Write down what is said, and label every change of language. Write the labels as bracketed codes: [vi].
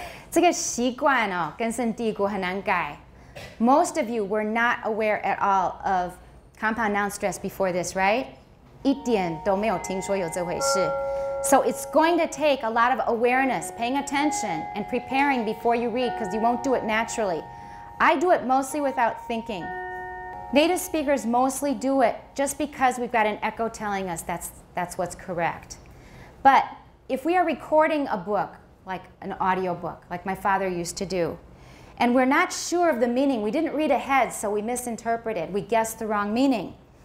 [zh] 这个习惯哦，根深蒂固，很难改。 [en] Most of you were not aware at all of compound noun stress before this, right? [zh] 一点都没有听说有这回事。 [en] So it's going to take a lot of awareness, paying attention, and preparing before you read, because you won't do it naturally. I do it mostly without thinking. Native speakers mostly do it just because we've got an echo telling us that's what's correct. But if we are recording a book, like an audio book, like my father used to do, and we're not sure of the meaning, we didn't read ahead, so we misinterpreted, we guessed the wrong meaning.